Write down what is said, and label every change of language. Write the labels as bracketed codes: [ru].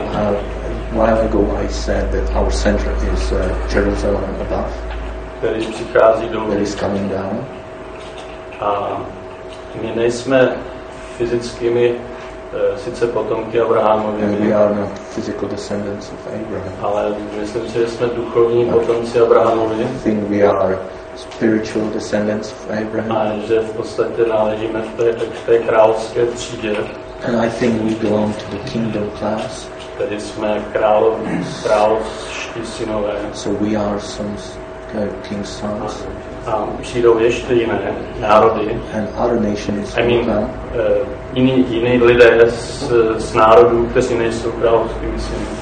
[en] A while ago I said that our center is Jerusalem above. [cs] Který přichází dolů. [en] That is coming down. [cs] A my nejsme fyzickými sice potomky Abrahamovi. [en] We are not physical descendants of Abraham. [cs] Ale myslím si, že jsme duchovní potomci Abrahamovi. [en] I think we are spiritual descendants of Abraham. [cs] A že v podstatě náležíme v té královské třídě. [en] And I think we belong to the kingdom class. [cs] Tedy jsme královští synové. [en] So we are some king's sons. [cs] A přijdou ještě jiné národy. [en] And other nations. I mean, [cs] jiní lidé z národů, kteří nejsou královskými syny.